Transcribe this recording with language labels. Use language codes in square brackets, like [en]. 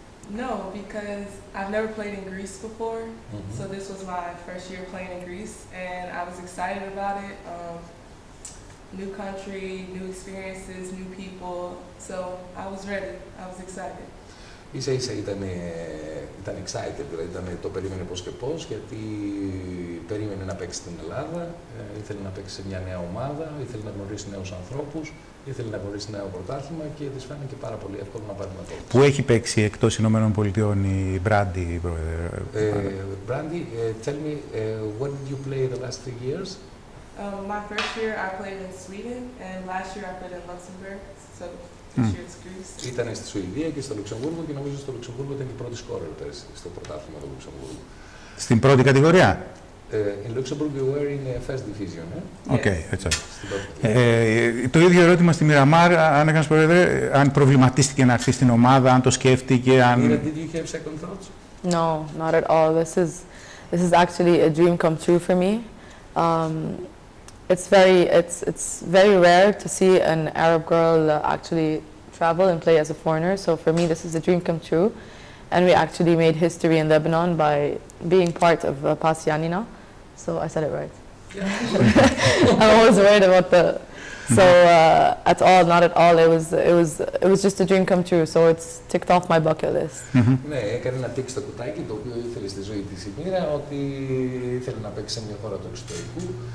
[en] No, because I've never played in Greece before, mm-hmm. so this was my first year playing in Greece, and I was excited about it. New country, new experiences, new people. So I was ready. I was excited. [el] Ίσα-ίσα ήταν excited, δηλαδή το περίμενε πώς και πώς, γιατί περίμενε να παίξει στην Ελλάδα, ήθελε να παίξει σε μια νέα ομάδα, ήθελε να γνωρίσει νέους ανθρώπους, ήθελε να γνωρίσει νέο πρωτάθλημα και της φάνηκε πάρα πολύ εύκολο να πάρει μετώπιση. Πού έχει παίξει εκτός Ηνωμένων Πολιτειών η Μπράντι, πρόεδρε? [en] Μπράντι, tell me, when did you play the last 3 years? My first year I played in Sweden and last year I played in Luxembourg. So... Mm. [el] Ήταν στη Σουηδία και στο Λουξεμβούργο και νομίζω στο Λουξεμβούργο ήταν η πρώτη σκόρερ πέρσι στο πρωτάθλημα του Λουξεμβούργου. Στην πρώτη κατηγορία? [en] In Luxembourg you were in first division. Okay. [el] Το ίδιο ερώτημα στη Μιραμάρ, αν έκανες πρόεδρε, αν προβληματίστηκε να έρθει στην ομάδα, αν το σκέφτηκε, αν... [en] Did you have second thoughts? No, not at all. This is actually a dream come true for me. It's very rare to see an Arab girl actually travel and play as a foreigner. So for me, this is a dream come true, and we actually made history in Lebanon by being part of Pas Yanina. So I said it right. Yeah. I'm always worried about the. So at all, not at all. It was just a dream come true. So it's ticked off my bucket list. [el] Ναι, έκανε ένα τίκ στο κουτάκι το οποίο ήθελε στη ζωή της η μοίρα, ότι ήθελε να παίξει σε μια χώρα του εξωτερικού.